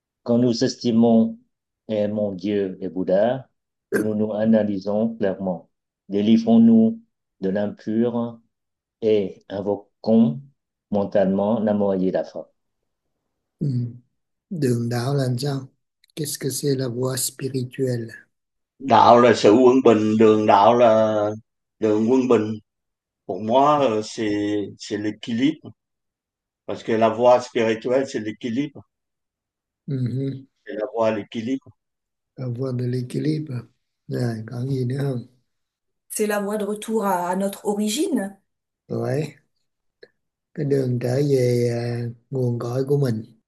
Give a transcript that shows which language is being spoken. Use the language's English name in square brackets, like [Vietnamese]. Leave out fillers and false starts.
[French] Quand nous estimons et aimons Dieu et Bouddha, nous analysons clairement. Délivrons-nous de l'impur et invoquons mentalement Namo Amida. [Vietnamese] Đường đạo là sao? [French] Qu'est-ce que c'est la voie spirituelle? [Vietnamese] Đạo là sự quân bình, đường đạo là đường quân bình. [French] Pour moi, c'est l'équilibre. Parce que la voie spirituelle, c'est l'équilibre. C'est la voie, l'équilibre. La voie de l'équilibre. Là, [Vietnamese] có gì nữa không? [French] C'est la voie de retour à notre origine. Ouais. [Vietnamese] Cái đường trở về nguồn cội của mình.